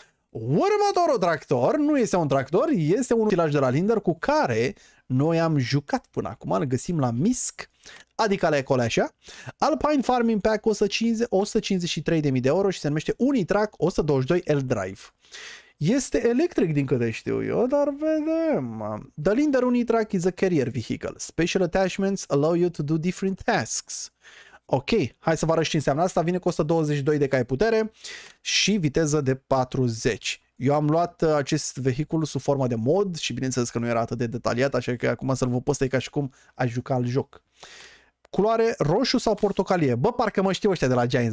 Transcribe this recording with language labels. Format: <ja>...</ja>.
<ro>Următorul tractor nu este un tractor, este un utilaj de la Linder cu care noi am jucat până acum, îl găsim la MISC, adică la Ecoleașa. Alpine Farming Pack costă 153.000 de euro și se numește Unitrack 122 L-Drive. Este electric din câte știu eu, dar vedem.</ro> <en>The Linder Unitrack is a carrier vehicle. Special attachments allow you to do different tasks.</en> <ro>Ok, hai să vă arăt ce înseamnă asta. Vine cu 122 de cai putere și viteză de 40. Eu am luat acest vehicul sub formă de mod și bineînțeles că nu era atât de detaliat, așa că acum să-l văd pe ăsta e ca și cum aș juca al joc. Culoare roșu sau portocalie? Bă, parcă mă știu ăștia de la Giants.</ro>